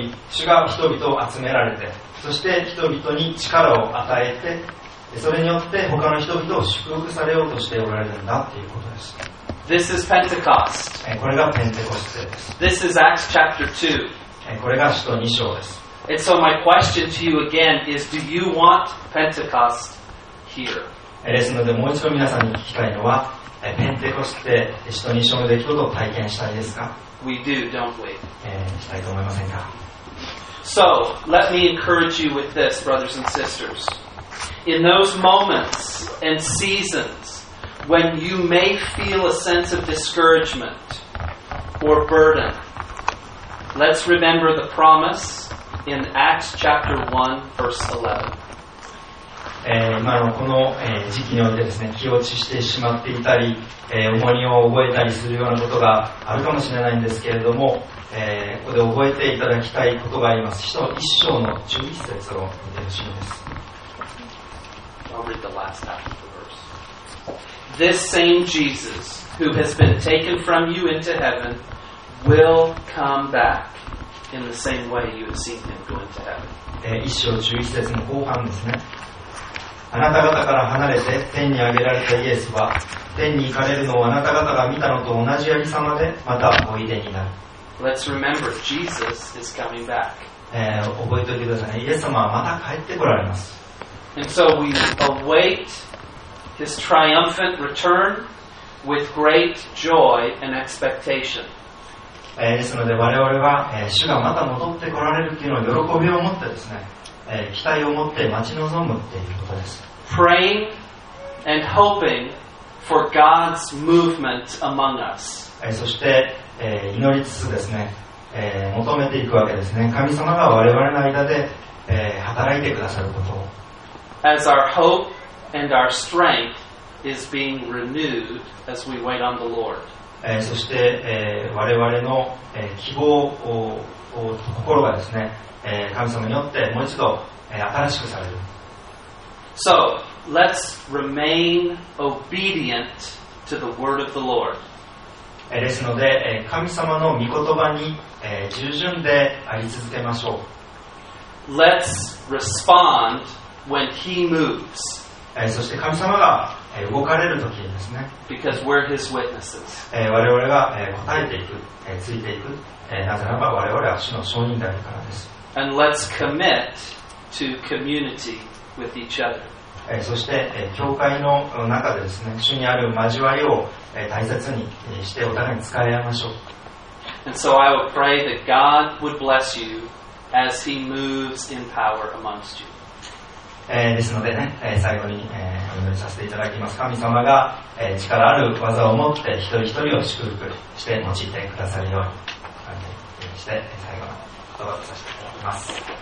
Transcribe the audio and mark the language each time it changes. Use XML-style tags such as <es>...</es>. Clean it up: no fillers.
<ja>主が人々を集められて、そして人々に力を与えて、それによって他の人々を祝福されようとしておられるんだということです。</ja> <en>This is Pentecost.</en> <ja>これがペンテコステです。</ja> <en>This is Acts chapter 2.</en> <ja>これが使徒2章です。</ja> <en>And so my question to you again is, do you want Pentecost here?</en> <ja>ですので、もう一度皆さんに聞きたいのは、ペンテコステ使徒2章の出来事を体験したいですか？</ja> <en>We do, don't we?</en> <ja>したいと思いませんか？</ja> <en>So, let me encourage you with this, brothers and sisters. In those moments and seasons when you may feel a sense of discouragement or burden, let's remember the promise in Acts chapter 1, verse 11.</en> <ja>今のこの時期においてですね、気落ちしてしまっていたり、重荷を覚えたりするようなことがあるかもしれないんですけれども、ここで覚えていただきたいことがあります。使徒一章の11節を見てほしいんです。</ja> <en>I'll read the last half of the verse. This same Jesus, who has been taken from you into heaven, will come back in the same way you have seen him go into heaven.</en> <ja>一章十一節の後半ですね。あなた方から離れて天に上げられたイエスは、天に行かれるのをあなた方が見たのと同じやり様でまたおいでになる。</ja> <en>Let's remember, Jesus is coming back.</en> <ja>覚えておいてくださいね。イエス様はまた帰ってこられます。</ja> <en>And so we await his triumphant return with great joy and expectation.</en> <ja>ですので、我々は主がまた戻ってこられるというのを喜びを持ってですね、期待を持って待ち望むということです。</ja> <en>Praying and hoping for God's movement among us.</en> <ja>そして、祈りつつですね、求めていくわけですね。神様が我々の間で、働いてくださることを。</ja> <en>As our hope and our strength is being renewed as we wait on the Lord.</en> <ja>そして、我々の、希望を心がですね、神様によってもう一度、新しくされる。</ja> <en>So, let's remain obedient to the word of the Lord.</en> <ja>ですので、神様の御言葉に、従順であり続けましょう。</ja> <en>Let's respondWhen he moves.</en> <ja>そして神様が動かれる時ですね。</ja> <en>Because we're his witnesses.</en> <ja>我々が答えていく、ついていく。なぜならば我々は主の証人であるからです。</ja> <en>And let's commit to community with each other.</en> <ja>そして教会の中でですね、主にある交わりを大切にしてお互いに使い合いましょう。</ja> <en>And so I would pray that God would bless you as he moves in power amongst you.</en> <ja>ですのでね、最後に、お祈りさせていただきます。神様が、力ある技を持って一人一人を祝福して用いてくださるようにして、最後の言葉とさせていただきます。</ja>